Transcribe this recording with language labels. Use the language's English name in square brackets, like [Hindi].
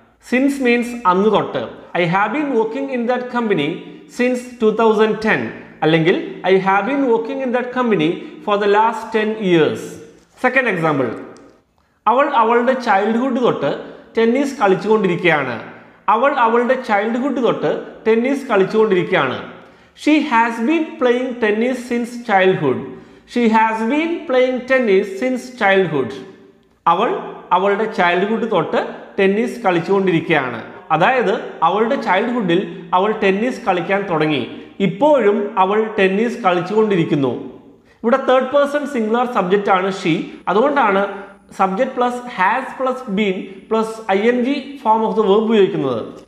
[English] since means [Malayalam] അന്ന് തൊട്ട്. [English] I have been working in that company since 2010, അല്ലെങ്കിൽ I have been working in that company for the last 10 years. [Malayalam] Second example, അവൾ അവളുടെ childhood തൊട്ട് tennis കളിച്ചുകൊണ്ടിരിക്കുകയാണ്. അവൾ അവളുടെ childhood തൊട്ട് tennis കളിച്ചുകൊണ്ടിരിക്കുകയാണ്. [English] She has been playing tennis since childhood. She has been playing tennis since childhood. [Malayalam] അവൾ അവളുടെ childhood തൊട്ട് tennis കളിച്ചുകൊണ്ടിരിക്കുകയാണ്. അതായത് അവളുടെ ചൈൽഡ്ഹുഡിൽ അവൾ ടെന്നീസ് കളിക്കാൻ തുടങ്ങി. ഇപ്പോഴും അവൾ ടെന്നീസ് കളിച്ചുകൊണ്ടിരിക്കുന്നു. ഇവിടെ തേർഡ് പേഴ്സൺ സിംഗുലർ സബ്ജക്റ്റ് ആണ് ഷി. അതുകൊണ്ടാണ് subject plus has plus been plus I N G form of the verb ഉപയോഗിക്കുന്നത്.